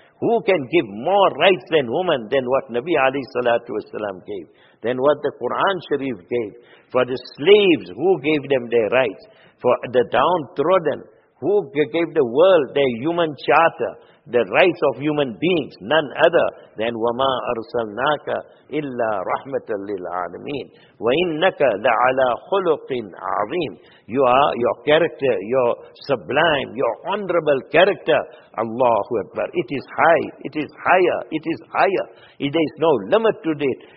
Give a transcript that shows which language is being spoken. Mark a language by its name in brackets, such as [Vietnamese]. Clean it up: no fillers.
[English] Who can give more rights than woman than what Nabi alayhi salatu wasalam gave? Than what the Quran Sharif gave? For the slaves, who gave them their rights? For the downtrodden, who gave the world their human charter, the rights of human beings? None other than [Arabic] وَمَا أَرْسَلْنَاكَ إِلَّا رَحْمَةً لِلْعَالَمِينَ وَإِنَّكَ لَعَلَىٰ خُلُقٍ عَظِيمٍ. [English] You are, your character, your sublime, your honorable character, Allahu Akbar. It is high, it is higher, it is higher. There is no limit to it.